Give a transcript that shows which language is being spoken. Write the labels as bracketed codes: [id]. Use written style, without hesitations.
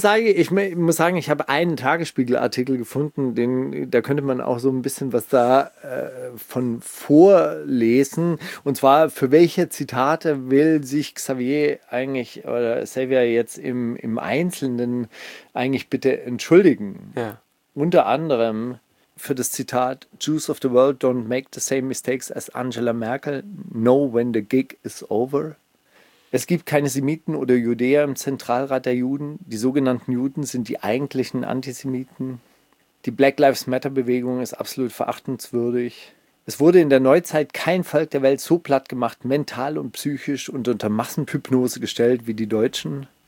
[de] Ich muss sagen, ich habe einen Tagesspiegel-Artikel gefunden, da könnte man auch so ein bisschen was da von vorlesen. Und zwar, für welche Zitate will sich Xavier jetzt im Einzelnen eigentlich bitte entschuldigen? Ja. Unter anderem für das Zitat [en] Jews of the world don't make the same mistakes as Angela Merkel, know when the gig is over. [de] Es gibt keine Semiten oder Judäer im Zentralrat der Juden. Die sogenannten Juden sind die eigentlichen Antisemiten. Die Black Lives Matter-Bewegung ist absolut verachtenswürdig. Es wurde in der Neuzeit kein Volk der Welt so platt gemacht, mental und psychisch und unter Massenhypnose gestellt wie die Deutschen.